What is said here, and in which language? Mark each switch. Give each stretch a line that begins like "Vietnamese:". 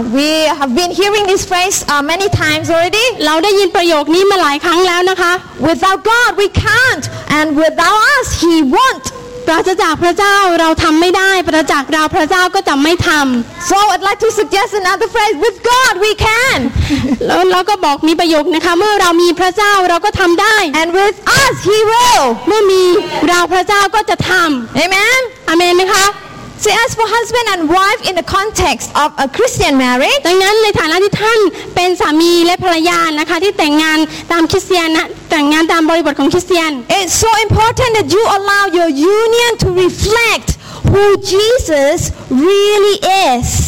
English: We have been hearing this phrase many times already
Thai: เราได้ยินประโยคนี้มาหลายครั้งแล้วนะคะ
English: Without God we can't and without us he won't
Thai: ปราศจากพระเจ้าเราทำไม่ได้ปราศจากเราพระเจ้าก็จะไม่ทำ
English: So I'd like to suggest another phrase with God we can
Thai: แล้วก็บอกมีประโยคนะคะเมื่อเรามีพระเจ้าเราก็ทำได้
English: And with us he will
Thai: เมื่อมีเราพระเจ้าก็จะทำ
English: Amen
Thai: Amen ไหมคะ
English: See as for husband and wife in the context of a Christian marriage
Thai: ดังนั้นในฐานะที่ท่านเป็นสามีและภรรยานะคะที่แต่งงานตามคริสเตียนนะแต่งงานตามบริบทของคริสเตียน
English: It's so important that you allow your union to reflect who Jesus really is